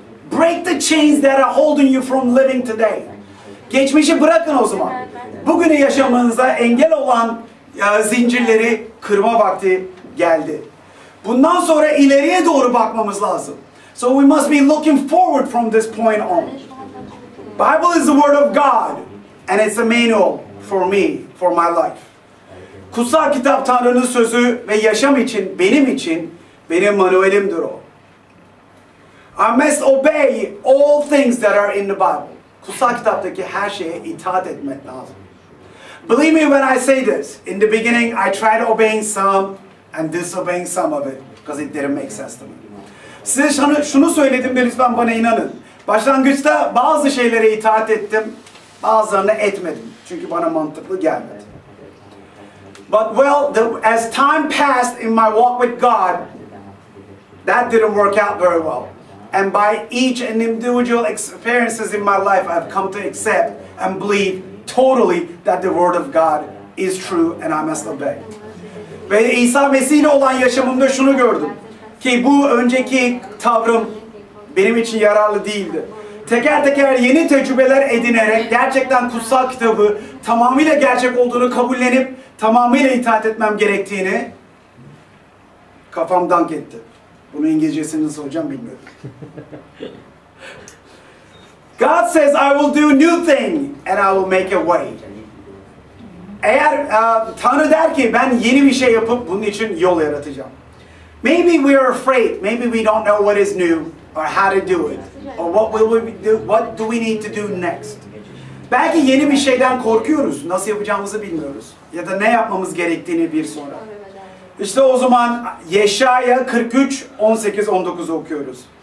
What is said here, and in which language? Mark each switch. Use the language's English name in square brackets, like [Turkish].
[English] Break the chains that are holding you from living today. [Turkish] Geçmişi bırakın o zaman. Bugünü yaşamanıza engel olan zincirleri kırma vakti geldi. Bundan sonra ileriye doğru bakmamız lazım. [English] So we must be looking forward from this point on. Bible is the word of God and it's a manual for me, for my life. [Turkish] Kutsal kitap Tanrı'nın sözü ve yaşam için, benim manuelimdir o. [English] I must obey all things that are in the Bible. [Turkish] Kutsal kitaptaki her şeye itaat etmek lazım. [English] Believe me when I say this. In the beginning I tried obeying some and disobeying some of it because it didn't make sense to me. [Turkish] Size şunu söyledim de lütfen bana inanın. Başlangıçta bazı şeylere itaat ettim, bazılarını etmedim. Çünkü bana mantıklı gelmedi. [English] But well, as time passed in my walk with God, that didn't work out very well. And by each and individual experiences in my life, I've come to accept and believe totally that the word of God is true and I must obey. [Turkish] Ve İsa Mesih ile olan yaşamımda şunu gördüm. Ki bu önceki tavrım benim için yararlı değildi. Teker teker yeni tecrübeler edinerek gerçekten kutsal kitabı tamamıyla gerçek olduğunu kabullenip tamamıyla itaat etmem gerektiğini kafam dank etti. Bunu İngilizcesini soracağım bilmiyorum. [English] God says I will do a new thing and I will make a way. [Turkish] Eğer Tanrı der ki ben yeni bir şey yapıp bunun için yol yaratacağım. [English] Maybe we are afraid, maybe we don't know what is new or how to do it. Or what will we do? What do we need to do next? [Turkish] Belki yeni bir şeyden korkuyoruz. Nasıl yapacağımızı bilmiyoruz. Ya da ne yapmamız gerektiğini bir sonra. İşte o zaman Yeşaya 43:18-19 okuyoruz.